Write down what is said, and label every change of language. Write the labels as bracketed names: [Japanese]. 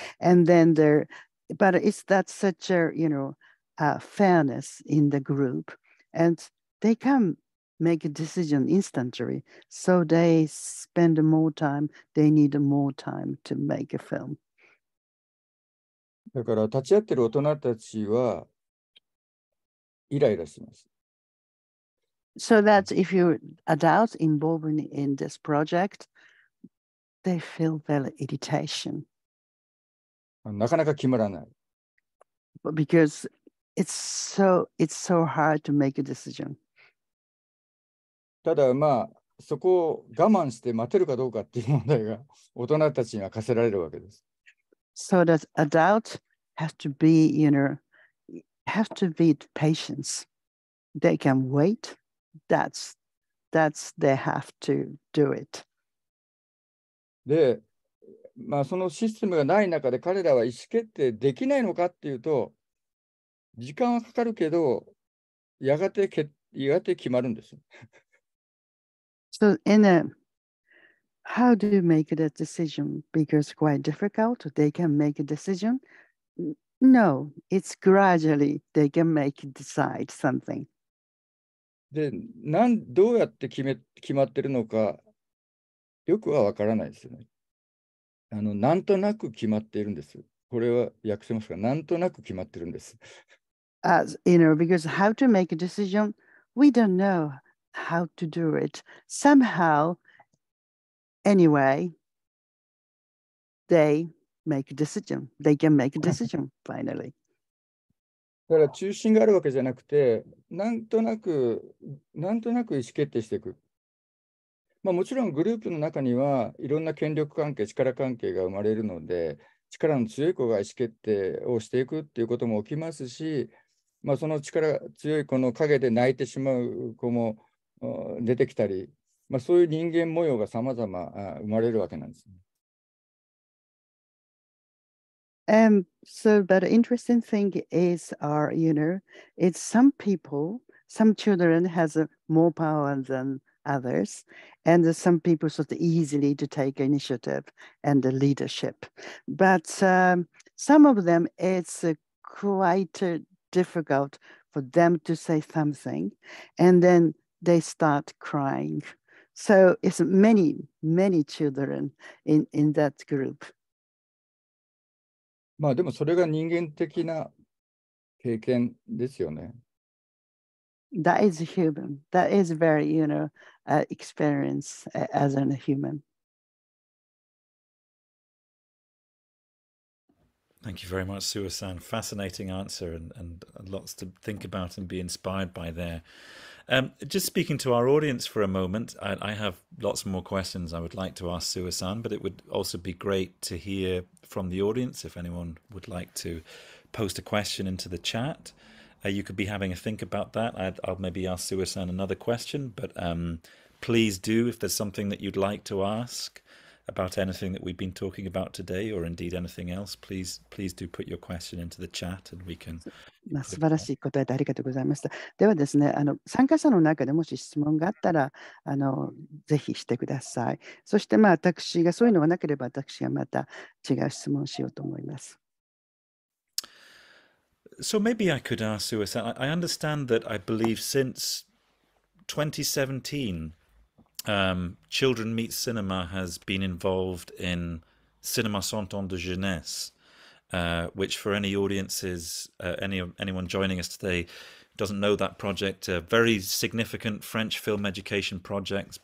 [English] And then there, but is that such a, you know, fairness in the group? And they can make a decision instantly. So they spend more time, they need more time to make a film. [Japanese] だから立ち会ってる大人たちはイライラします。 [English] So that if you adults involved in this project, they feel very irritation. [Japanese] なかなか決まらない。 [English] Because it's so hard to make a decision. [Japanese] ただまあそこを我慢して待てるかどうかっていう問題が大人たちには課せられるわけです。 [English] So that adults have to be, you know, have to be patient. They can wait. That's they have to do it. [Japanese] で、まあそのシステムがない中で彼らは意思決定できないのかっていうと、時間はかかるけど、やがて決まるんです。 [English] So in a, how do you make that decision? Because quite difficult, they can make a decision? No, it's gradually they can make decide something. [Japanese] で、どうやって決まってるのかよくはわからないですよね。なんとなく決まっているんです。これは訳せますか？なんとなく決まってるんです。 [English] As you know, because how to make a decision, we don't know how to do it. Somehow, anyway, they make a decision. They can make a decision finally. [Japanese] だから中心があるわけじゃなくて、なんとなく意思決定していく。まあ、もちろんグループの中には、いろんな権力関係、力関係が生まれるので、力の強い子が意思決定をしていくっていうことも起きますし、まあ、その力強い子の陰で泣いてしまう子も出てきたり、まあ、そういう人間模様がさまざま生まれるわけなんです。 [English] So, but the interesting thing is, you know, it's some people, some children has more power than others, and some people sort of easily to take initiative and the leadership. But some of them, it's quite difficult for them to say something, and then they start crying. So it's many, many children in that group. [Japanese] まあでもそれが人間的な経験ですよね。 [English] That is human. That is very, you know, experience as a human. Thank you very much, Suwa-san. Fascinating answer and lots to think about and be inspired by there. Just speaking to our audience for a moment, I have lots more questions I would like to ask Suwa-san, but it would also be great to hear from the audience if anyone would like to post a question into the chat. You could be having a think about that. I'll maybe ask Suwa-san another question, but please do, if there's something that you'd like to ask about anything that we've been talking about today, or indeed anything else, please do put your question into the chat and we can. [Japanese] 素晴らしい答えでありがとうございました。ではですね、参加者の中でもし質問があったら、ぜひしてください。そして、まあ、私がそういうのがなければ、私がまた違う質問をしようと思います。 [English] So maybe I could ask Suwa-san, I understand that I believe since 2017,Children Meet Cinema has been involved in Cinema Centre de Jeunesse, which for any audiences, anyone joining us today doesn't know that project, a very significant French film education project.